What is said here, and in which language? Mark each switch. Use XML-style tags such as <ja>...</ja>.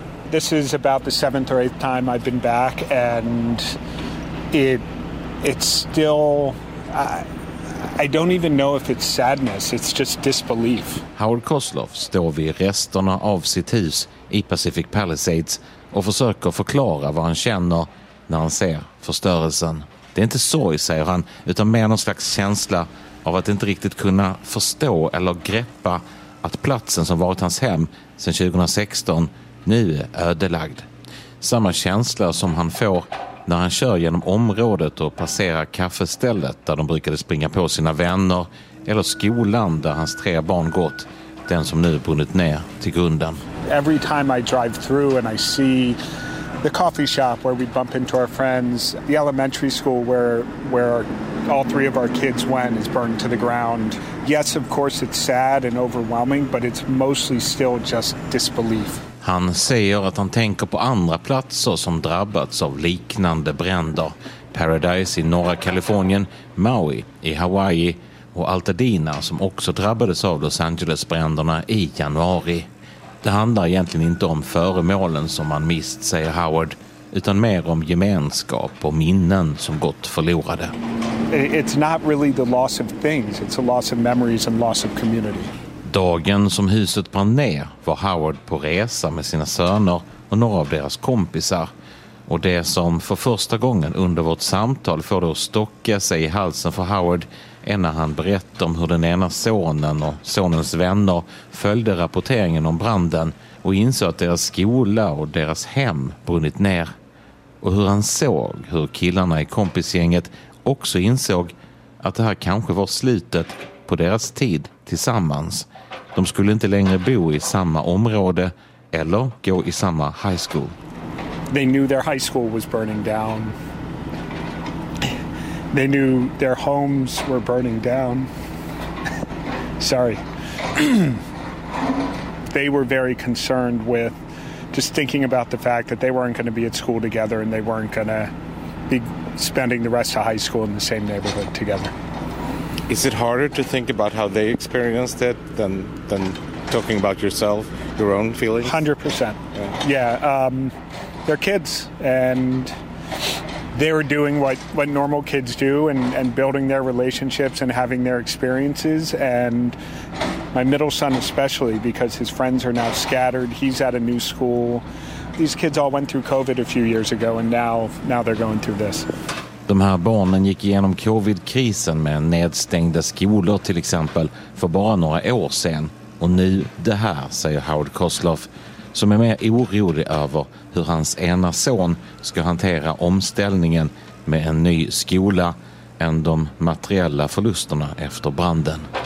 <en>This is about the 7th or 8th time I've been back, and it's still, I don't even know if it's sadness, it's just disbelief.</en> <sv>Howard Kosloff står vid resterna av sitt hus i Pacific Palisades och försöker förklara vad han känner när han ser förstörelsen. Det är inte sorg, säger han, utan mer någon slags känsla av att inte riktigt kunna förstå eller greppa att platsen som varit hans hem sedan 2016 nu är ödelagd. Samma känsla som han får när han kör genom området och passerar kaffestället där de brukade springa på sina vänner, eller skolan där hans 3 barn gått, den som nu brunnit ner till grunden.</sv> <en>Every time I drive through and I see the coffee shop where we bump into our friends, the elementary school where all 3 of our kids went is burned to the ground. Yes, of course it's sad and overwhelming, but it's mostly still just disbelief.</en> <sv>Han säger att han tänker på andra platser som drabbats av liknande bränder. Paradise i norra Kalifornien, Maui i Hawaii och Altadena som också drabbades av Los Angeles-bränderna i januari. Det handlar egentligen inte om föremålen som man mist, säger Howard, utan mer om gemenskap och minnen som gått förlorade.</sv> <en>It's not really the loss of things, it's a loss of memories and loss of community.</en> <sv>Dagen som huset brann ner var Howard på resa med sina söner och några av deras kompisar. Och det som för första gången under vårt samtal får då stocka sig i halsen för Howard är när han berättar om hur den ena sonen och sonens vänner följde rapporteringen om branden och insåg att deras skola och deras hem brunnit ner. Och hur han såg hur killarna i kompisgänget också insåg att det här kanske var slutet på deras tid tillsammans. De skulle inte längre bo i samma område eller gå i samma high school.</sv> <en>They knew their high school was burning down. They knew their homes were burning down. Sorry. They were very concerned with just thinking about the fact that they weren't going to be at school together and they weren't going to be spending the rest of high school in the same neighborhood together. Is it harder to think about how they experienced it than talking about yourself, your own feelings? 100%. Yeah. They're kids, and they were doing what normal kids do and building their relationships and having their experiences. And my middle son especially, because his friends are now scattered. He's at a new school. These kids all went through COVID a few years ago, and now they're going through this.</en> <sv>De här barnen gick igenom covid-krisen med nedstängda skolor till exempel för bara några år sedan. Och nu det här, säger Howard Kosloff, som är mer orolig över hur hans ena son ska hantera omställningen med en ny skola än de materiella förlusterna efter branden.</sv>